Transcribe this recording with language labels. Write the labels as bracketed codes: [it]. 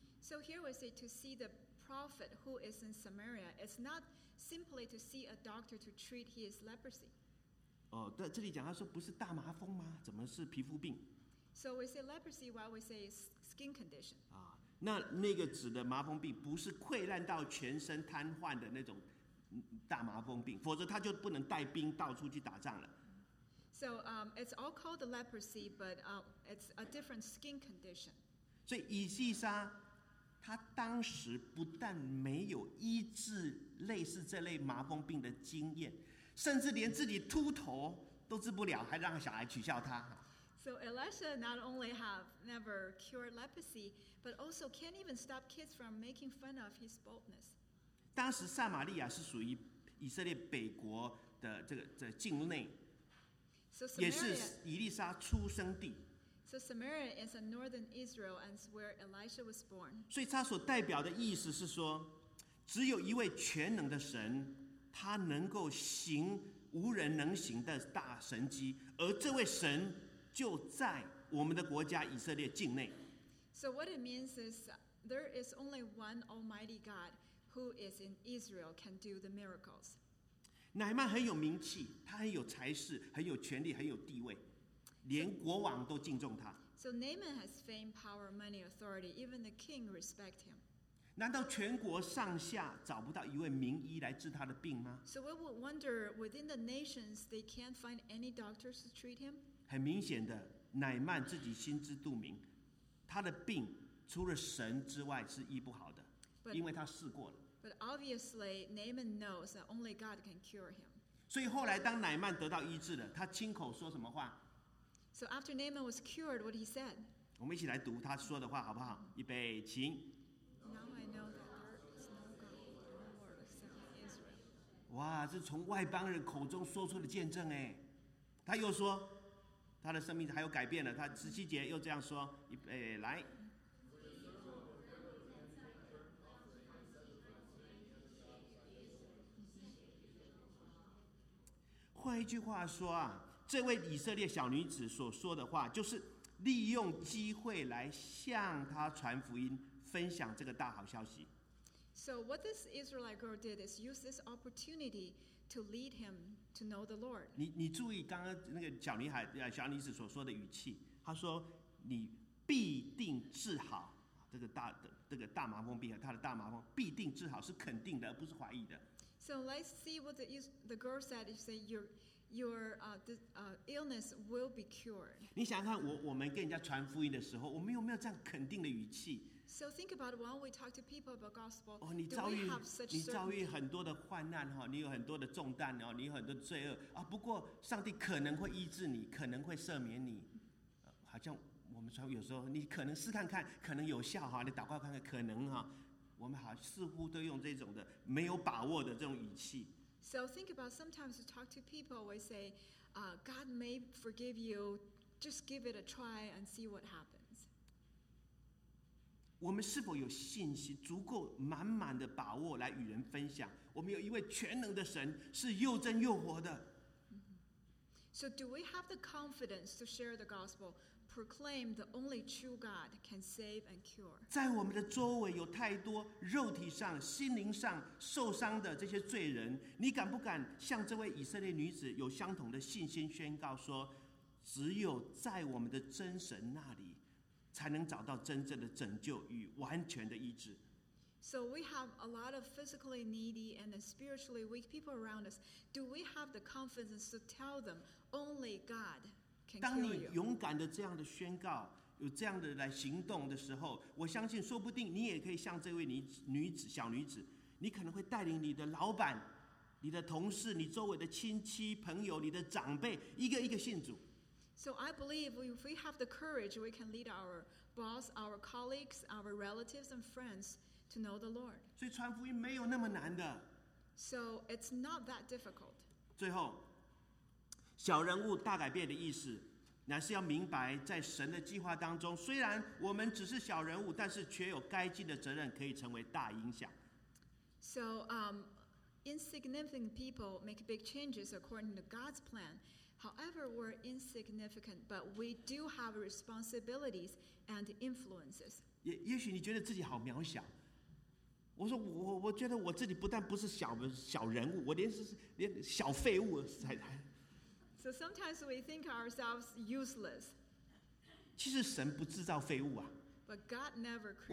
[en] So here we say to see the prophet who is in Samaria, it's not simply to see a doctor to treat his leprosy. [zh] 哦，对，这里讲他说不是大麻风吗？怎么是皮肤病 [en] ？So we say leprosy while we say skin condition. 啊。 [zh] 那个指的麻风病不是溃烂到全身瘫痪的那种大麻风病，否则他就不能带兵到处去打仗了。 [en] So, it's all called the leprosy, but it's a different skin condition. [zh] 所以以西沙他当时不但没有医治类似这类麻风病的经验，甚至连自己秃头都治不了，还让小孩取笑他。 [en] So Elisha not only have never cured leprosy, but also can't even stop kids from making fun of his boldness. [zh] 当时撒玛利亚是属于以色列北国的这个这境内， [en] Samaria, [zh] 也是以利沙出生地。 [en] So Samaria is a northern Israel and where Elisha was born. [zh] 所以它所代表的意思是说，只有一位全能的神，他能够行无人能行的大神迹，而这位神。就在我们的国家以色列境内。 [en] So what it means is there is only one Almighty God who is in Israel can do the miracles. [zh] 乃曼很有名气，他很有才识，很有权力，很有地位，连国王都敬重他。 [en] So Naaman has fame, power, money, authority. Even the king respect him. [zh] 难道全国上下找不到一位名医来治他的病吗 [en] ？So we would wonder within the nations they can't find any doctors to treat him. [zh] 很明显的，乃曼自己心知肚明，他的病除了神之外是医不好的， [en] but, [zh] 因为他试过了。 [en] But obviously, Naaman knows that only God can cure him. [zh] 所以后来当乃曼得到医治了，他亲口说什么话 [en] ？So after Naaman was cured, what he said? [zh] 我们一起来读他说的话好不好？预备，请。 [en] Now I know that there is no God in the world except Israel. [zh] 哇，这从外邦人口中说出的见证哎，他又说。他的生命还有改变了。他十七节又这样说：“来。” 换一句话说啊，这位以色列小女子所说的话，就是利用机会来向他传福音，分享这个大好消息。 [en] So what this Israelite girl did is use this opportunity. To lead him to know the Lord. [zh] 你注意刚刚那个小女孩小女子所说的语气，她说你必定治好这个大麻风病，她的大麻风必定治好，是肯定的，而不是怀疑的。 [en] So let's see what the girl said. You say your illness will be cured. [zh] 你想想看，我们跟人家传福音的时候，我们有没有这样肯定的语气？ [en] So think about when we talk to people about gospel. [zh] Oh, 你遭遇 [en] do we have such [zh] 你遭遇很多的患难哈，你有很多的重担哦，你有很多罪恶啊。不过上帝可能会医治你，可能会赦免你。好像我们说有时候你可能试看看，可能有效哈，你祷告看看可能哈。我们好似乎都用这种的没有把握的这种语气。 [en] So think about sometimes we talk to people. We say, God may forgive you. Just give it a try and see what happens. [zh] 我们是否有信心足够满满的把握来与人分享？我们有一位全能的神，是又真又活的。 [en] So do we have the confidence to share the gospel? Proclaim the only true God can save and cure. [zh] 在我们的周围有太多肉体上、心灵上受伤的这些罪人，你敢不敢像这位以色列女子有相同的信心宣告说，只有在我们的真神那里，才能找到真正的拯救与完全的医治。 [en] So we have a lot of physically needy and spiritually weak people around us. Do we have the confidence to tell them only God can cure you? [zh] 当你勇敢的这样的宣告，有这样的来行动的时候，我相信说不定你也可以像这位女子，小女子，你可能会带领你的老板、你的同事、你周围的亲戚朋友、你的长辈，一个一个信主。 [en] So I believe if we have the courage, we can lead our boss, our colleagues, our relatives and friends to know the Lord. [zh] 所以传福音没有那么难的。 [en] So it's not that difficult. [zh] 最后，小人物大改变的意思，乃是要明白在神的计划当中，虽然我们只是小人物，但是却有该尽的责任，可以成为大影响。 [en] So insignificant people make big changes according to God's plan. However, we're insignificant, but we do have responsibilities and influences. [zh] 也许你觉得自己好渺小。我说我觉得我自己不但不是小人物，我连小废物才来。 [en] So sometimes we think ourselves useless. [zh] 其实神不制造废物啊。 [en] But God never creates.